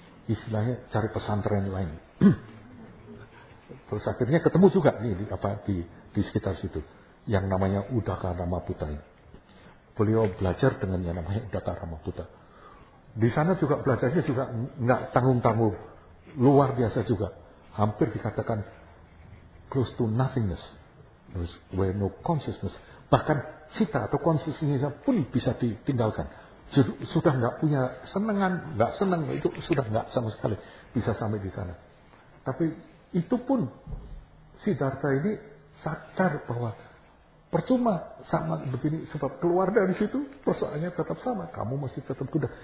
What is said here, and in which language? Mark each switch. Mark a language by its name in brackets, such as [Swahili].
[Indonesian] Istilahnya cari pesantren lain. Terus akhirnya ketemu juga nih di sekitar situ, yang namanya Udakarama Buddha. Beliau belajar dengan yang namanya Udakarama Buddha. Di sana juga belajarnya juga enggak tanggung-tanggung. Luar biasa juga. Hampir dikatakan [English] close to nothingness, there's where no consciousness. [Indonesian] Bahkan cita atau consciousness pun bisa ditinggalkan. Sudah enggak punya senengan, enggak senang, itu sudah enggak sama sekali bisa sampai di sana. Tapi itu pun Siddhartha ini sadar bahwa percuma sama begini, sebab keluar dari situ persoalannya tetap sama. Kamu masih tetap kuda.